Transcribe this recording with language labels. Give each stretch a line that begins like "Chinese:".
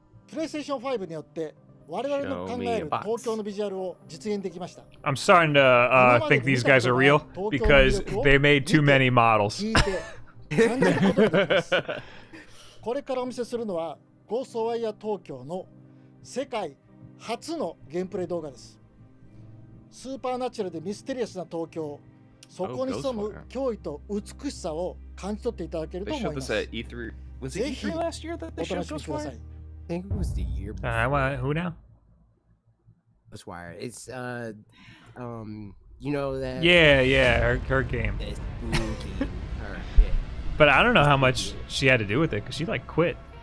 Japanese: PlayStation 5 によって我々の考える東京のビジュアルを実現できました。
English: I'm starting to think these guys are real because they made too many models.
Japanese: これからお見せするのはゴーストワイヤー東京の世界初のゲームプレイ動画です。スーパーナチュラルでミステリアスな東京、そこに潜む脅威と美しさを感じ取っていただけると思います。
English: Was it E3 last year that they showed Ghostwire? I think it was the year before. Who now? Ghostwire. It's, you know that... Yeah, her game. It's spooky. But I don't know how much she had to do with it, because she, like, quit.